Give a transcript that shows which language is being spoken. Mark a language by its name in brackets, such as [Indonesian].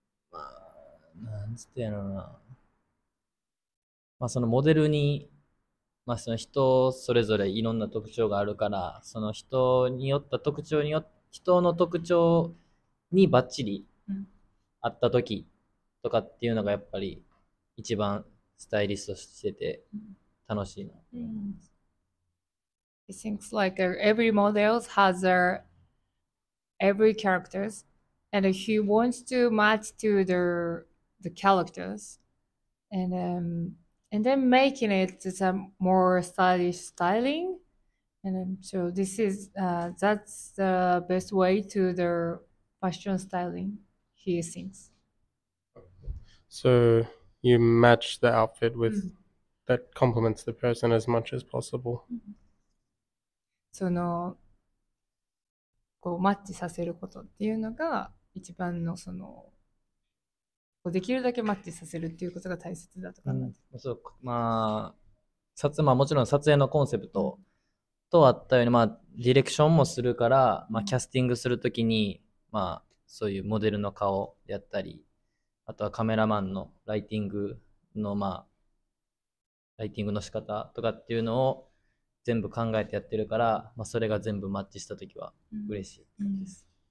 [Japanese] まあ、なんつって言うのかな。まあ、そのモデルに、まあ、その人それぞれいろんな特徴があるから、その人によった特徴によっ、人の特徴にバッチリ合った時とかっていうのがやっぱり一番スタイリストしてて楽しいな。 [English] It seems like every model has a every characters and he wants to match to the characters and and then making it a more stylish styling and so this is that's the best way to the fashion styling he thinks. So you match the outfit with that complements the person as much as possible. [Japanese] そのこうマッチさせることっていうのが一番のそのできるだけマッチさせるっていうことが大切だとか、うん、そう、まあ、撮影、まあ、もちろん撮影のコンセプトとあったように、まあ、ディレクションもするから、まあ、キャスティングするときに、まあ、そういうモデルの顔やったり、あとはカメラマンのライティングの、まあ、ライティングの仕方とかっていうのを全部考えてやってるから、まあ、それが全部マッチしたときは嬉しいです。